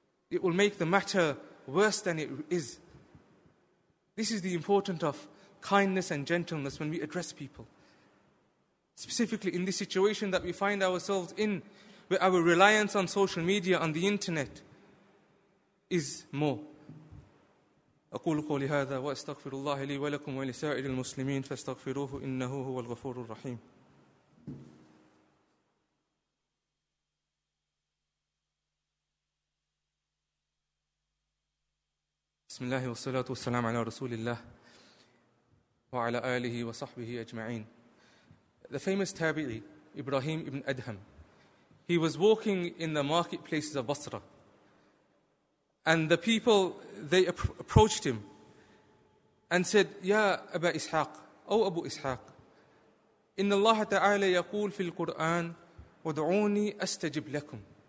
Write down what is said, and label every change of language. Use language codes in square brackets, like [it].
[en] It will make the matter worse than it is. This is the importance of kindness and gentleness when we address people. Specifically in this situation that we find ourselves in, where our reliance on social media, on the internet, is more. [ar] أقول قولي هذا وأستغفر الله لي ولكم ولسائر المسلمين فاستغفروه إنه هو الغفور الرحيم. بسم الله والصلاة والسلام على رسول الله وعلى آله وصحبه أجمعين. [en] The famous Tabi'i, Ibrahim ibn Adham, he was walking in the marketplaces of Basra. And the people, they approached him and said, "Ya Aba Ishaq, O Abu Ishaq, [ar] Inna Allah Ta'ala yaqul fil Qur'an, Wad'uni astajib lakum."